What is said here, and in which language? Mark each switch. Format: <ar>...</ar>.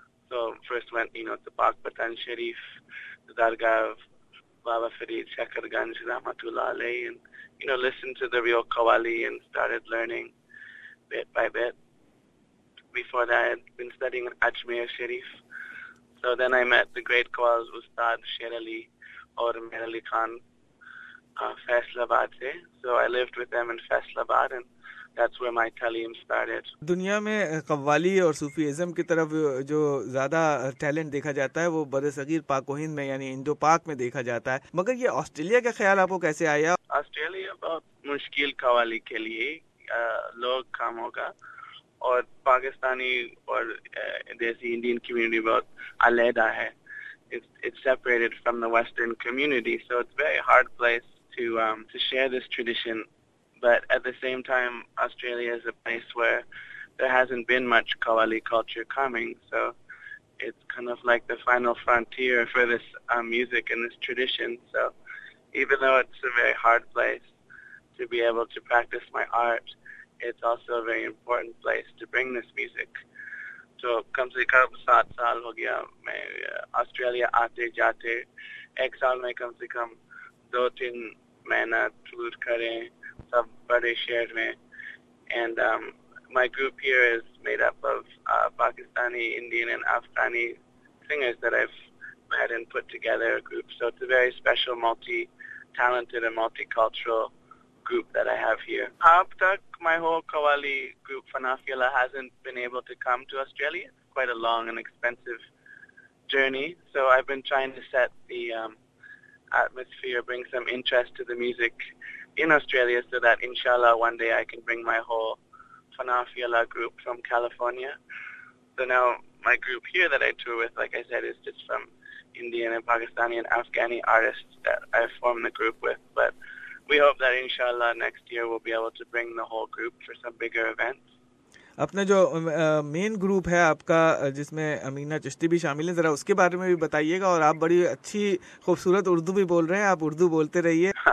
<en>So first went, you know, to Pak Patan Sharif, the Dargah of Baba Farid Shekhar Ganj Rahmatullah Alayh, and, you know, listened to the real qawwali and started learning bit by bit. Before that, I had been studying Ajmer Sharif. So then I met the great Qawwaz Ustad Sher Ali or Mir Ali Khan Faisalabad</en> <ur>se.</ur> <en>So I lived with them in Faisalabad and that's where my Taleem started.</en> <ur>دنیا میں قوالی اور صوفی ازم کی طرف جو زیادہ talent دیکھا جاتا ہے وہ برصغیر پاک و ہند میں یعنی انڈو پاک میں دیکھا جاتا ہے, مگر یہ آسٹریلیا کا خیال آپ کو کیسے آیا؟ آسٹریلیا بہت مشکل قوالی کے لیے لوگ کام ہوگا اور پاکستانی اور دیسی انڈین کمیونٹی بہت علیحدہ ہے.</ur> <en>It's separated from the Western community, so it's a very hard place to share this tradition. But at the same time, Australia is a place where there hasn't been much Qawwali culture coming, so it's kind of like the final frontier for this music and this tradition. So even though it's a very hard place to be able to practice my art, it's also a very important place to bring this music.</en> <ur>تو کم سے کم 7 سال ہو گیا میں Australia آتے جاتے, ایک سال میں کم سے کم 2-3 مہینہ ٹور کرے سب بڑے شہر میں.</ur> <en>And my group here is made up of Pakistani Indian and Afghani singers that I had and put together a group, so it's a very special multi talented and multi cultural group that I have here. Up</en> <ur>tak</ur> <en>my whole Qawwali group Fanafiela hasn't been able to come to Australia. It's quite a long and expensive journey, so I've been trying to set the atmosphere, bring some interest to the music in Australia so that inshallah one day I can bring my whole Fanafiela group from California. So now my group here that I tour with, like I said, is just from Indian and Pakistani and Afghani artists that I formed the group with, but we hope that inshallah next year we'll be able to bring the whole group for some bigger events.</en> <ur>اپنا جو مین group ہے آپ کا جس میں امینہ چشتی بھی شامل ہے, ذرا اس کے بارے میں بھی بتائیے گا. اور آپ بڑی اچھی خوبصورت اردو بھی بول رہے ہیں, آپ اردو بولتے رہیے.</ur>